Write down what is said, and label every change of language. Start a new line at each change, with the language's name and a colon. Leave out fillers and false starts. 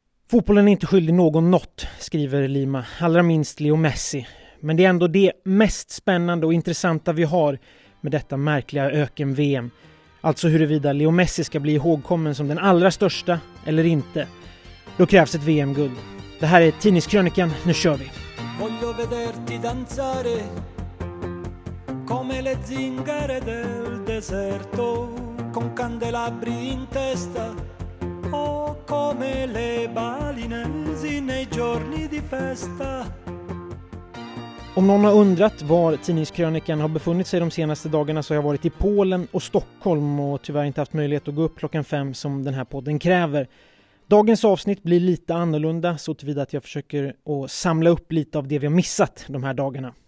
Swedish: Fotbollen är inte skyldig någon något, skriver Lima, allra minst Leo Messi. Men det är ändå det mest spännande och intressanta vi har med detta märkliga öken-VM. Alltså huruvida Leo Messi ska bli ihågkommen som den allra största eller inte. Då krävs ett VM-guld. Det här är Tidningskrönikan, nu kör vi.
Italian: Voglio vederti danzare come le zingare del deserto con candelabri in testa o come le balinesi nei giorni di festa.
Swedish: Om någon har undrat var Tidningskrönikan har befunnit sig de senaste dagarna, så har jag varit i Polen och Stockholm och tyvärr inte haft möjlighet att gå upp klockan 5 som den här podden kräver. Dagens avsnitt blir lite annorlunda, så tillvida att jag försöker att samla upp lite av det vi har missat de här dagarna.